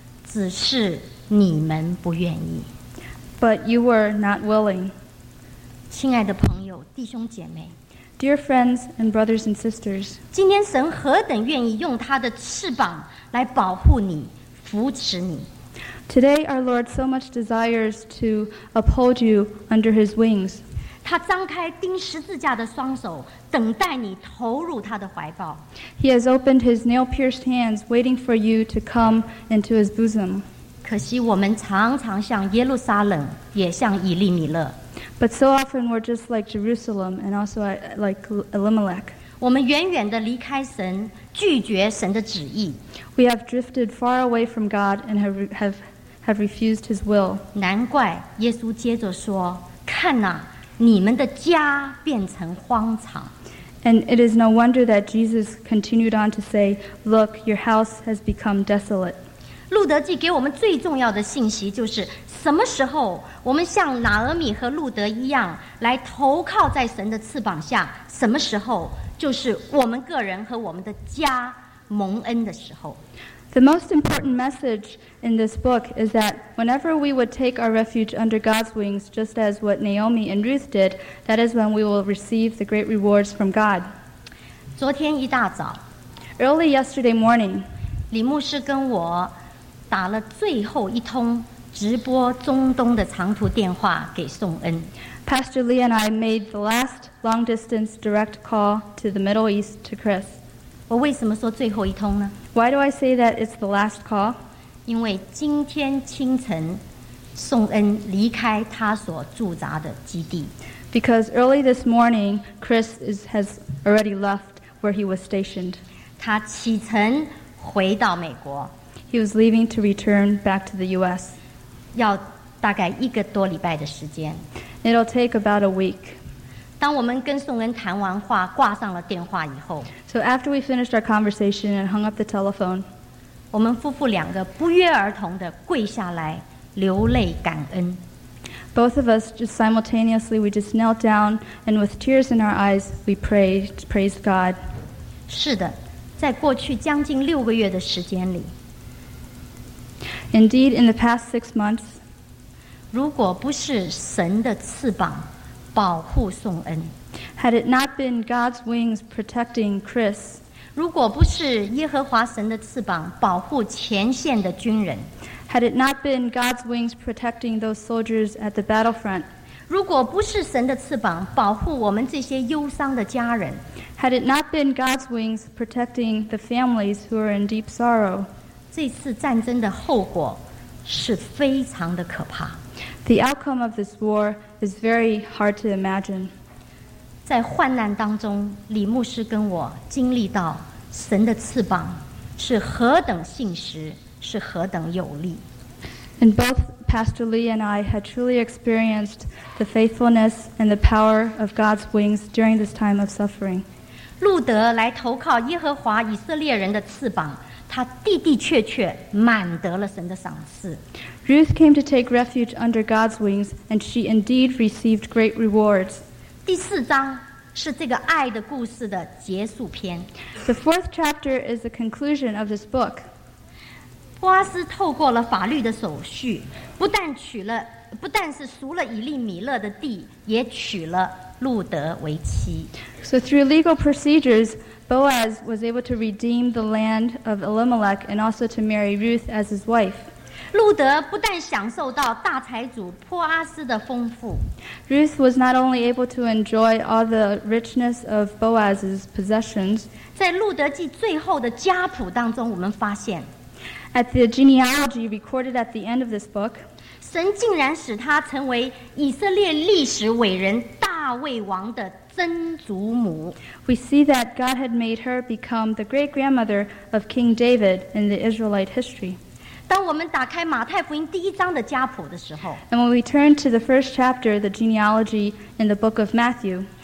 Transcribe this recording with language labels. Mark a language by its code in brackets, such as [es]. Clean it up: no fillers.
[zh] 只是你们不愿意。 [en] But you were not willing. [zh] 亲爱的朋友，弟兄姐妹。 [en] Dear friends and brothers and sisters. [zh] 今天神何等愿意用他的翅膀来保护你，扶持你。 [en] Today, our Lord so much desires to uphold you under His wings. [zh] 他张开钉十字架的双手，等待你投入他的怀抱。 [en] He has opened His nail-pierced hands, waiting for you to come into His bosom. [zh] 可惜我们常常像耶路撒冷，也像以利米勒。 [en] But so often we're just like Jerusalem and also like Elimelech. [zh] 我们远远地离开神，拒绝神的旨意。 [en] We have drifted far away from God and have refused His will. [zh] 难怪耶稣接着说：“看哪，你们的家变成荒场。” [en] And it is no wonder that Jesus continued on to say, "Look, your house has become desolate." [zh] 路德记给我们最重要的信息就是：什么时候我们像拿俄米和路德一样来投靠在神的翅膀下？什么时候？就是我们个人和我们的家蒙恩的时候。 [en] The most important message in this book is that whenever we would take our refuge under God's wings, just as what Naomi and Ruth did, that is when we will receive the great rewards from God. [zh] 昨天一大早 [en] ，early yesterday morning， [zh] 李牧师跟我打了最后一通直播中东的长途电话给宋恩。 [en] Pastor Lee and I made the last long-distance direct call to the Middle East to Chris. [zh] 我为什么说最后一通呢？ [en] Why do I say that it's the last call? [zh] 因为今天清晨，宋恩离开他所驻扎的基地。 [en] Because early this morning, Chris has already left where he was stationed. [zh] 他启程回到美国。 [en] He was leaving to return back to the U.S. [zh] 要大概一个多礼拜的时间。 [en] It'll take about a week. [zh] 当我们跟宋恩谈完话，挂上了电话以后 [en] ，So after we finished our conversation and hung up the telephone, [zh] 我们夫妇两个不约而同地跪下来，流泪感恩。 [en] Both of us just simultaneously, we just knelt down and with tears in our eyes, we praised God. [zh] 是的，在过去将近六个月的时间里 [en] ，Indeed, in the past 6 months. [zh] 如果不是神的翅膀保护宋恩 [en] ，Had it not been God's wings protecting Chris， [zh] 如果不是耶和华神的翅膀保护前线的军人 [en] ，Had it not been God's wings protecting those soldiers at the battlefront， [zh] 如果不是神的翅膀保护我们这些忧伤的家人 [en] ，Had it not been God's wings protecting the families who are in deep sorrow， [zh] 这次战争的后果是非常的可怕。 [en] The outcome of this war is very hard to imagine. [zh] 在患难当中，李牧师跟我经历到神的翅膀是何等信实，是何等有力。 [en] And both Pastor Lee and I had truly experienced the faithfulness and the power of God's wings during this time of suffering. [zh] 路德来投靠耶和华以色列人的翅膀，他的的确确满得了神的赏赐。 [en] Ruth came to take refuge under God's wings, and she indeed received great rewards. [zh] 第四章是这个爱的故事的结束篇。 [en] The fourth chapter is the conclusion of this book. [zh] 波阿斯透过了法律的手续，不但娶了，不但是赎了以利米勒的地，也娶了路德为妻。 [en] So through legal procedures, Boaz was able to redeem the land of Elimelech and also to marry Ruth as his wife. [zh] 路德不但享受到大财主波阿斯的丰富。 [en] Ruth was not only able to enjoy all the richness of Boaz's possessions. [zh] 在路德记最后的家谱当中，我们发现。 [en] At the genealogy recorded at the end of this book, [zh] 神竟然使他成为以色列历史伟人大卫王的曾祖母。 [en] We see that God had made her become the great-grandmother of King David in the Israelite history. [zh] 当我们打开马太福音第一章的家谱的时候， [en] And when we turn to the first chapter, the genealogy in the book of Matthew,